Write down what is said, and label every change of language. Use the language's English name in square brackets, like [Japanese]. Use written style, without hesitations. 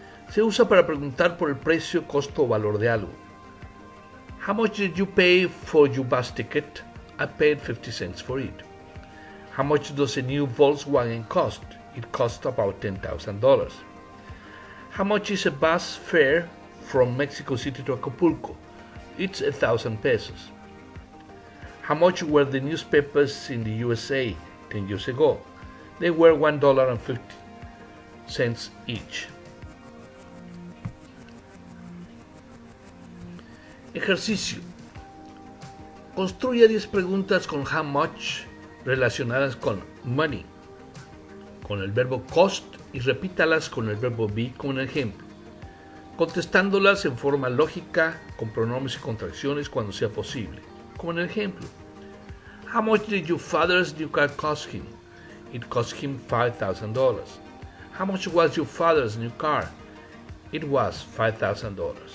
[Spanish] Se usa para preguntar por el precio, costo o valor de algo. [English] How much did you pay for your bus ticket? I paid 50 cents for it. How much does a new Volkswagen cost? It cost about $10,000. How much is a bus fare from Mexico City to Acapulco? It's 1,000 pesos. How much were the newspapers in the USA 10 years ago? They were $1.50 each. [Spanish] Ejercicio. Construya 10 preguntas con how much relacionadas con money, con el verbo cost, y repítalas con el verbo be como un ejemplo, contestándolas en forma lógica con pronombres y contracciones cuando sea posible, como en el ejemplo. [English] How much did your father's new car cost him? It cost him $5,000. How much was your father's new car? It was $5,000.